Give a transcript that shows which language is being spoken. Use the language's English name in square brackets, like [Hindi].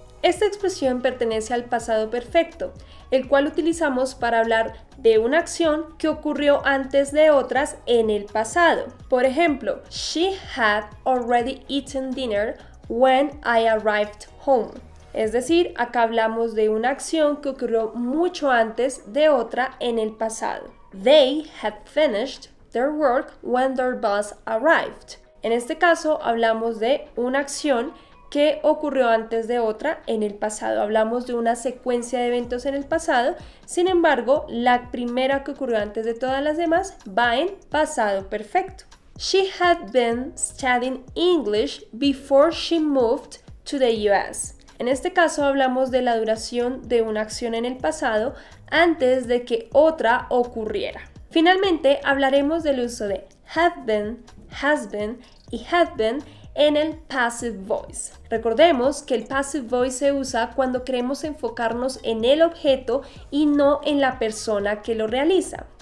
[Spanish] Esta expresión pertenece al pasado perfecto, el cual utilizamos para hablar de una acción que ocurrió antes de otras en el pasado. Por ejemplo, [English] she had already eaten dinner when I arrived home. [Spanish] Es decir, acá hablamos de una acción que ocurrió mucho antes de otra en el pasado. [English] They had finished their work when their boss arrived. [Spanish] En este caso, hablamos de una acción que ocurrió antes de otra en el pasado. Hablamos de una secuencia de eventos en el pasado. Sin embargo, la primera que ocurrió antes de todas las demás va en pasado perfecto. [English] She had been studying English before she moved to the US. [Spanish] En este caso hablamos de la duración de una acción en el pasado antes de que otra ocurriera. Finalmente, hablaremos del uso de have been, has been y had been en el passive voice. Recordemos que el passive voice se usa cuando queremos enfocarnos en el objeto y no en la persona que lo realiza.